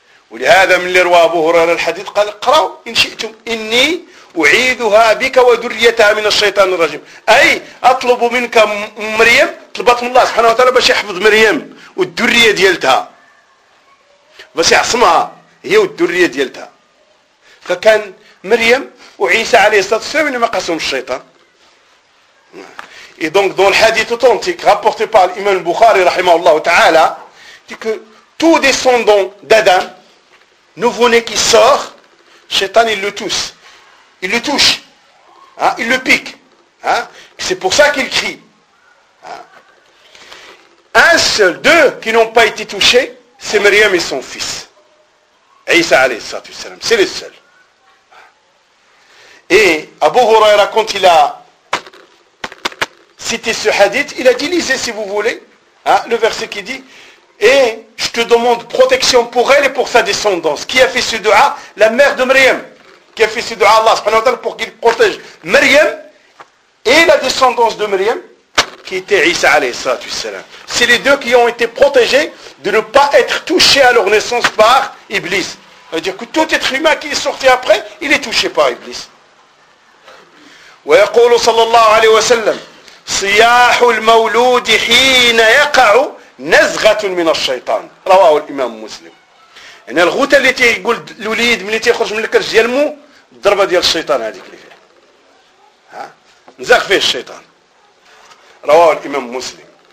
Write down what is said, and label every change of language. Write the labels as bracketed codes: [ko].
[ar] ولهذا من اللي روى أبو هريرة الحديث قال اقرأوا إن شئتم إني أعيذها بك وذريتها من الشيطان الرجيم، أي أطلب منك مريم، طلبت من الله سبحانه وتعالى باش يحفظ مريم والذرية ديالتها باش يعصمها هي والذرية ديالتها. فكان مريم وعيسى عليه الصلاة والسلام اللي ما قاسهم الشيطان. [fr] Et donc dans le hadith authentique rapporté par l'imam Bukhari rahimahullah ta'ala, dit que tout descendant d'Adam, nouveau-né qui sort, Shaitan il le touche. Il le touche. Hein? Il le pique. Hein? C'est pour ça qu'il crie. Hein? Un seul, deux qui n'ont pas été touchés, c'est Maryam et son fils. Isa alayhi salatu wassalam. C'est le seul. Et Abu Huraira, quand il a citer ce hadith, il a dit, lisez si vous voulez, hein, le verset qui dit, et je te demande protection pour elle et pour sa descendance. Qui a fait ce dua? La mère de Maryam. Qui a fait ce dua à Allah pour qu'il protège Maryam et la descendance de Maryam, qui était Isa alayhi salatu wassalam. C'est les deux qui ont été protégés de ne pas être touchés à leur naissance par Iblis. C'est-à-dire que tout être humain qui est sorti après, il est touché par Iblis. [ar] Wa yaqulu sallallahu alayhi wa sallam. صياح المولود حين يقع نزغة من الشيطان رواه الإمام مسلم. إن الغوتة اللي تيقول الوليد ملي تيخرج من الكرش ديال مو الضربة ديال الشيطان هذيك اللي فيه نزغ فيه الشيطان رواه الإمام مسلم.